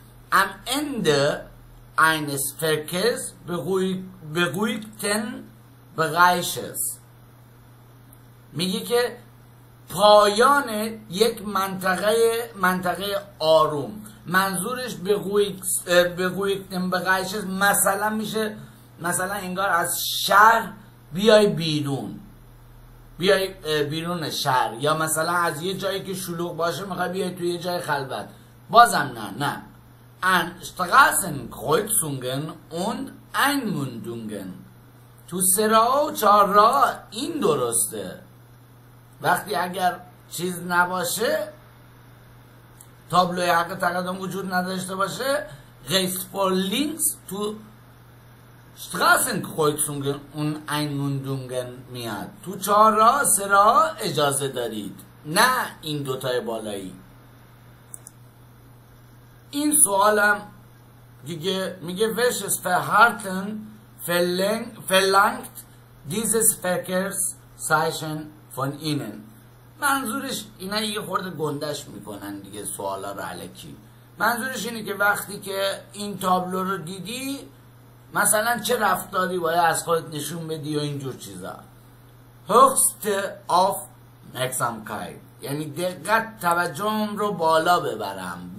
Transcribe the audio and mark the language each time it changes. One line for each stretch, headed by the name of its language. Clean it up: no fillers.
German: am Ende eines Verkehrs beruhigten Bereiches،
Persian: میگه که پایان یک منطقه آروم، منظورش
German: beruhigten Bereiches
Persian: مثلا میشه مثلا انگار از شهر بیای بیرون، بیای بیرون شهر، یا مثلا از یه جایی که شلوغ باشه میخوای بیای توی یه جای خلوت، بازم نه نه.
German: An Straßen kreuzungen und Einmündungen.
Persian: تو سرا و چار را این درسته. وقتی اگر چیز نباشه، تابلوی حق تقدم وجود نداشته باشه،
German: rechts vor links
Persian: تو
German: Straßenkreuzungen und Einmündungen
Persian: میاد. تو چار را سرا اجازه دارید، نه این دوتای بالایی. این سوالم دیگه میگه
German: welches Verhalten verlangt dieses Verkehrszeichen von Ihnen.
Persian: منظورش اینا یه خورده گندش میکنن دیگه سوالا رو علکی. منظورش اینه که وقتی که این تابلو رو دیدی مثلا چه رفتاری باید از خودت نشون بدی و اینجور چیزا.
German: Höchste Aufmerksamkeit،
Persian: یعنی دقت توجهم رو بالا ببرم.